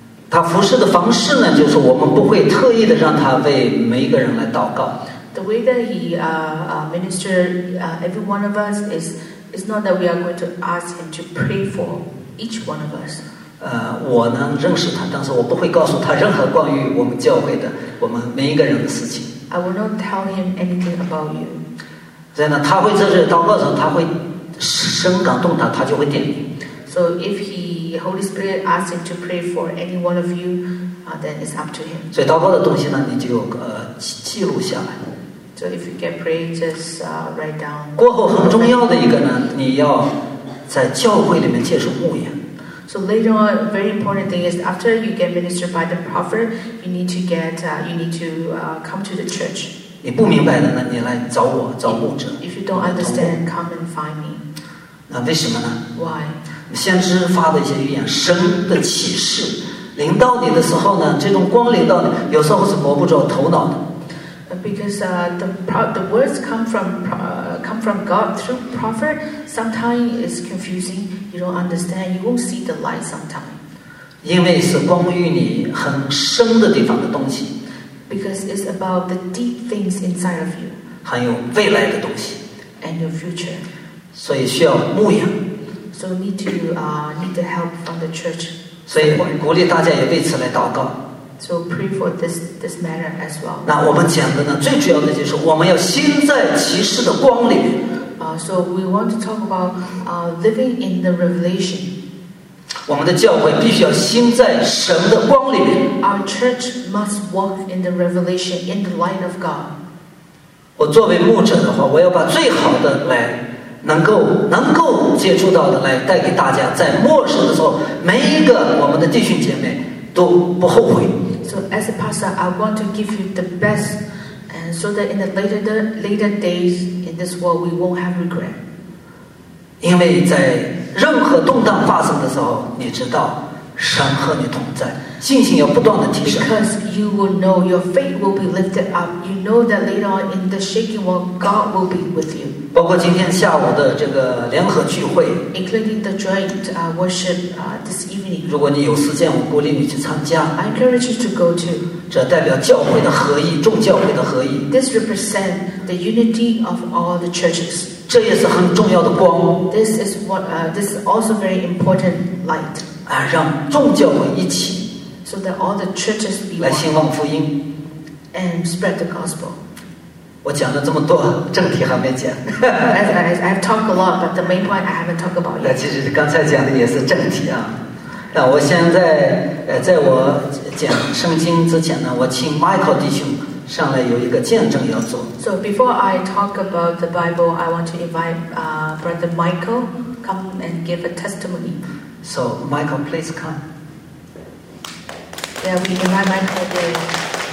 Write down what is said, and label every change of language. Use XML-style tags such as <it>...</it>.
<zh>他服侍的方式呢，就是我们不会特意的让他为每一个人来祷告。</zh> <en>The way that he ministers every one of us is. It's not that we are going to ask him to pray for each one of us.</en> <zh>我能认识他，但是我不会告诉他任何关于我们教会的我们每一个人的事情。</zh> <en>I will not tell him anything about you.</en> <zh>所以呢，他会在这祷告上，他会深感动他，他就会点名。</zh> <en>So if he Holy Spirit asks him to pray for any one of you, then it's up to him.</en> <zh>所以祷告的东西呢，你就记录下来。</zh> <en>So if you get prayed, just write down.</en> <zh>过后很重要的一个呢，你要在教会里面接受牧养。</zh> <en>So later on, very important thing is after you get ministered by the prophet, you need to get, come to the church.</en> <zh>你不明白的呢，你来找我，找牧者。</zh> <en>If you don't understand, come and find me.</en> <zh>那为什么呢</zh> <en>？Why?</en> <zh>先知发的一些预言，神的启示，临到你的时候呢，这种光临到你，有时候是摸不着头脑的。</zh> <en>Because the words come from God through prophet. Sometimes it's confusing. You don't understand. You won't see the light sometimes.</en> <zh>因为是关于你很深的地方的东西。</zh> <en>Because it's about the deep things inside of you.</en> <zh>还有未来的东西。</zh> <en>And your future.</en> <zh>所以需要牧养。</zh> <en>So need to help from the church.</en> <zh>所以我鼓励大家也为此来祷告。</zh> <en>So pray for this matter as well.</en> <zh>那我们讲的呢，最主要的就是我们要心在启示的光里。</zh> <en>So we want to talk about living in the revelation.</en> <zh>我们的教会必须要心在神的光里面。</zh> <en>Our church must walk in the revelation, in the light of God.</en> <zh>我作为牧者的话，我要把最好的来能够接触到的来带给大家，在末世的时候，每一个我们的弟兄姐妹。都不后悔。</zh> <en>So as a pastor, I want to give you the best, and so that in the later days in this world, we won't have regret.</en> <zh>因为在任何动荡发生的时候，你知道神和你同在，信心要不断的提升。</zh> <en>Because you will know your faith will be lifted up. You know that later on in the shaking world, God will be with you.</en> <zh>包括今天下午的这个联合聚会</zh> <en>，including the joint worship this evening.</en> <zh>如果你有时间，我鼓励你去参加。</zh> <en>I encourage you to go to.</en> <zh>这代表教会的合一，众教会的合一。</zh> <en>This represents the unity of all the churches.</en> <zh>这也是很重要的光。</zh> <en>This is also very important light.</en> <zh>让众教会一起。</zh> <en>So that all the churches be one.</en> <zh>来兴旺福音。</zh> <en>And spread the gospel.</en> <zh>我讲了这么多，正题还没讲。</zh> <en>I've talked a lot, but the main point I haven't talked about yet.</en> <zh>其实刚才讲的也是正题啊。那我现在，在我讲圣经之前呢，我请 Michael 弟兄上来有一个见证要做。</zh> <en>So before I talk about the Bible, I want to invite Brother Michael come and give a testimony. So Michael, please come. Yeah, we invite Michael to.</en>